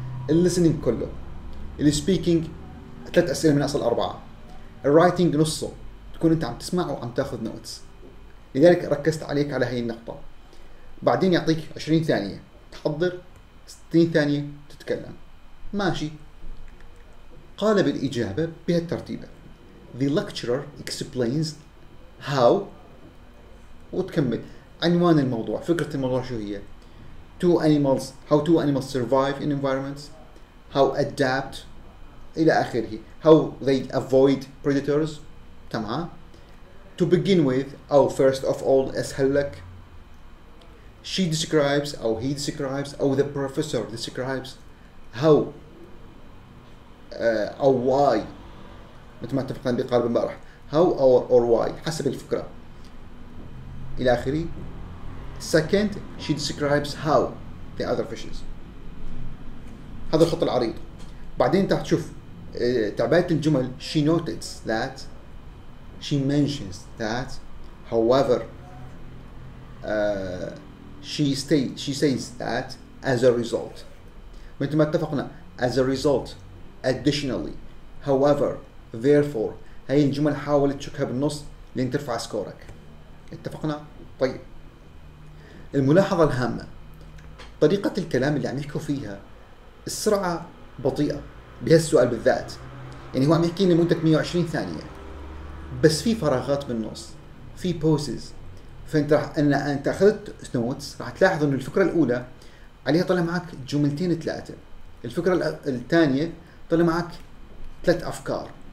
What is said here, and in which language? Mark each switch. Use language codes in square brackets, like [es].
[ar] الليسنينج كله, السبيكينج ثلاث أسئلة من أصل أربعة, الرايتينج نصه تكون أنت عم تسمع وعم تاخذ نوتس, لذلك ركزت عليك على هاي النقطة. بعدين يعطيك 20 ثانية تحضر, 60 ثانية تتكلم, ماشي. قال بالإجابة بهالترتيبة, [en] the lecturer explains how, [ar] وتكمل عنوان الموضوع, فكرة الموضوع شو هي, [en] two animals, how two animals survive in environments, how adapt [ar] إلى آخره, [en] how they avoid predators, تمام, to begin with أو first of all, [ar] أسهل لك, [en] she describes أو he describes أو the professor describes how أو why, [ar] مثل ما اتفقنا بقارب امبارح, [en] how or why [ar] حسب الفكرة إلى آخره. [en] Second, she describes how the other fishes. [ar] هذا الخط العريض. بعدين تحت شوف تعبئة الجمل, [en] she notes that, she mentions that, however, she says that as a result. [ar] مثل ما اتفقنا [en] as a result, additionally, however, therefore, [ar] هاي الجمل حاول تشكها بالنص لين ترفع سكورك. اتفقنا؟ طيب الملاحظة الهامة, طريقة الكلام اللي عم يحكوا فيها السرعة بطيئة بهالسؤال بالذات, يعني هو عم يحكي لنا مدة 120 ثانية بس في فراغات بالنص, في pauses, فانت راح ان انت اخذت notes راح تلاحظ انه الفكرة الأولى عليها طلع معك جملتين ثلاثة, الفكرة الثانية طلع معك ثلاث أفكار,